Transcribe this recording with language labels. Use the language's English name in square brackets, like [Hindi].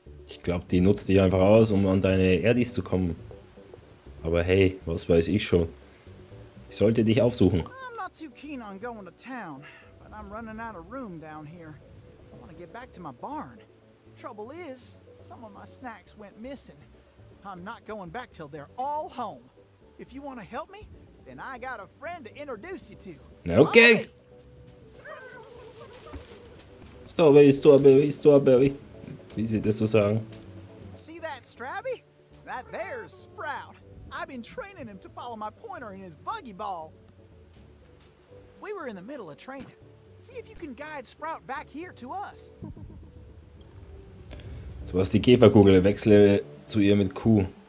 [German] Ich glaube, die nutzt dich einfach aus, um an deine Erdis zu kommen. Aber hey, was weiß ich schon. Ich sollte dich aufsuchen. [English] I'm not too keen on going to town, but I'm running out of room down here. I want to get back to my barn. Trouble is, some of my snacks went missing. I'm not going back till they're all home. If you want to help me, then I got a friend to introduce you to. Okay. Strawberry, strawberry, strawberry. [German] Wie sie das so sagen. [English] See that Strabby? That there's Sprout. I've been training him to follow my pointer in his buggy ball. We were in the middle of training. See if you can guide Sprout back here to us. [German] Du hast die Käferkugel, wechsle zu ihr mit Q.